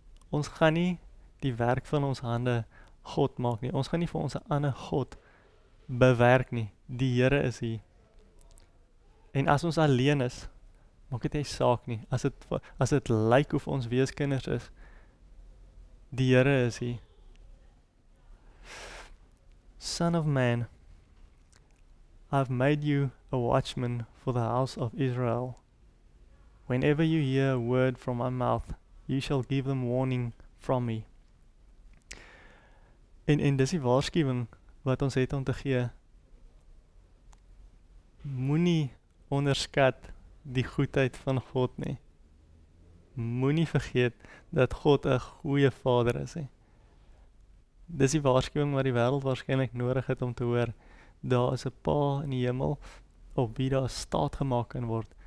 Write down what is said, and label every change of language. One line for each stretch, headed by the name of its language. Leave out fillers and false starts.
Afrikaans: Ons gaan nie die werk van ons hande God maak nie, ons gaan nie vir ons ander God bewerk nie, die Here is hier. En as ons alleen is, maak het hy saak nie, as het lyk of ons weeskinders is, die Here is hier.
English: Son of man, I've made you a watchman for the house of Israel. Whenever you hear a word from my mouth, you shall give them warning from me.
Afrikaans: En dis die waarskuwing wat ons het om te gee. Moenie onderskat die goedheid van God nie. Moenie vergeet dat God 'n goeie vader is nie. Dis die waarskuwing wat die wereld waarschijnlijk nodig het om te hoor. Daar is een pa in die hemel op wie daar staat gemaakt kan word.